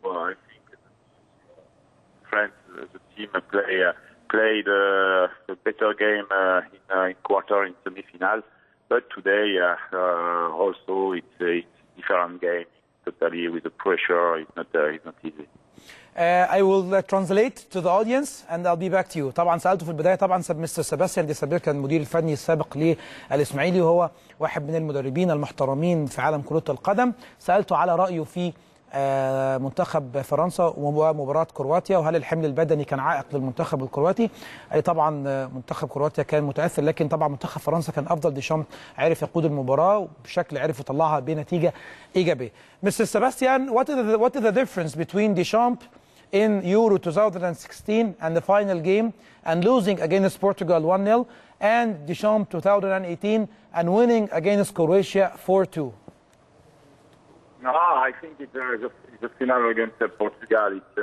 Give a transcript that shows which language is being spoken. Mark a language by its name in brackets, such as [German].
[English] I think France, the team, played a better game in quarter, in semi-final. But today, also, it's a different game, totally with the pressure. It's not easy. I will translate to the audience and I'll be back to you. [Arabic] طبعا سألته في البداية طبعا مستر سباستيان ديسابير كان المدير الفني السابق للإسماعيلي وهو واحد من المدربين المحترمين في عالم كرة القدم. سألته على رأيه في منتخب فرنسا ومباراة كرواتيا وهل الحمل البدني كان عائق للمنتخب الكرواتي. أي طبعا منتخب كرواتيا كان متأثر لكن طبعا منتخب فرنسا كان أفضل. ديشامب عرف يقود المباراة بشكل عرف يطلعها بنتيجة إيجابية. [English] Mister Sebastian, what is the difference between Deschamps in Euro 2016 and the final game and losing against Portugal 1-0 and Deschamps 2018 and winning against Croatia 4-2? No, I think it's a final against Portugal.